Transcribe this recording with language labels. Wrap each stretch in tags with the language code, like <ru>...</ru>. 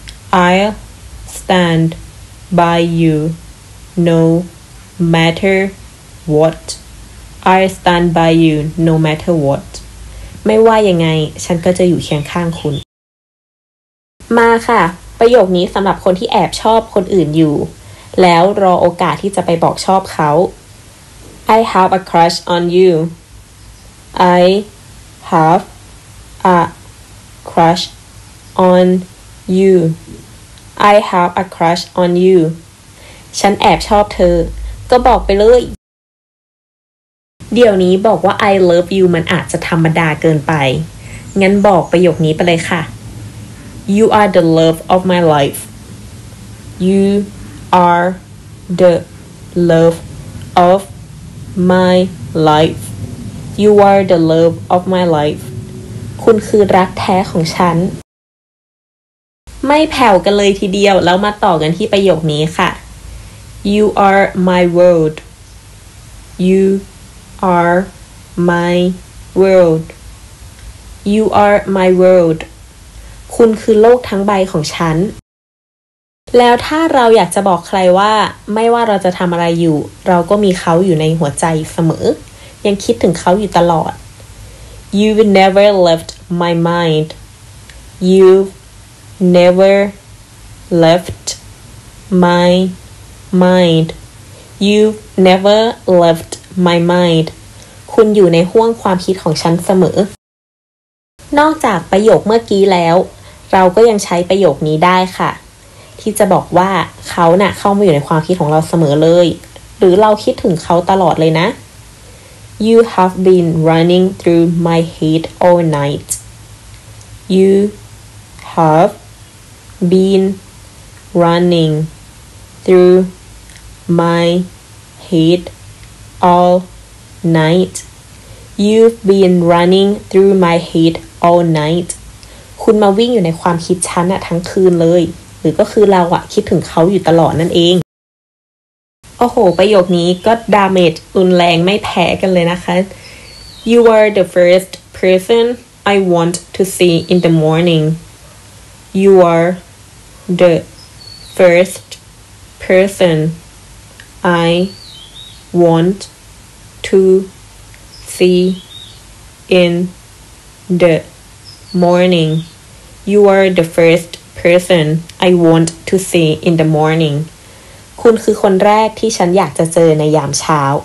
<en>I'll standby you no matter what I stand by you no matter what</en> <th>ไม่ว่ายังไงฉันก็จะอยู่เคียงข้างคุณมาค่ะประโยคนี้สำหรับคนที่แอบชอบคนอื่นอยู่แล้วรอโอกาสที่จะไปบอกชอบเขา</th> <en>I have a crush on you I have a crush on youI have a crush on you.</en> <th>ฉันแอบชอบเธอก็บอกไปเลยเดี๋ยวนี้บอกว่า</th> <en>I love you</en> <th>มันอาจจะธรรมดาเกินไปงั้นบอกประโยคนี้ไปเลยค่ะ</th> <en>You are the love of my life. You are the love of my life. You are the love of my life.</en> <th>คุณคือรักแท้ของฉันไม่แผ่วกันเลยทีเดียวแล้วมาต่อกันที่ประโยคนี้ค่ะ</th> <en>You are my world You are my world You are my world</en> <th>คุณคือโลกทั้งใบของฉันแล้วถ้าเราอยากจะบอกใครว่าไม่ว่าเราจะทำอะไรอยู่เราก็มีเขาอยู่ในหัวใจเสมอยังคิดถึงเขาอยู่ตลอด</th> <en>You've never left my mind You've never left my mind You've never left my mind.</en> <th>คุณอยู่ในห้วงความคิดของฉันเสมอนอกจากประโยคเมื่อกี้แล้วเราก็ยังใช้ประโยคนี้ได้ค่ะที่จะบอกว่าเขาน่ะเข้ามาอยู่ในความคิดของเราเสมอเลยหรือเราคิดถึงเขาตลอดเลยนะ</th> <en>You have been running through my head all night. You have been running through my head all night. You've been running through my head all night.</en> <th>คุณมาวิ่งอยู่ในความคิดฉันอะทั้งคืนเลยหรือก็คือเราอะคิดถึงเขาอยู่ตลอดนั่นเองโอ้โหประโยคนี้ก็ดาเมจรุนแรงไม่แพ้กันเลยนะคะ</th> <en>You are the first person I want to see in the morning. You are the first person I want to see in the morning. You are the first person I want to see in the morning.</en> <th>คุณคือคนแรกที่ฉันอยากจะเจอในยามเช้า</th>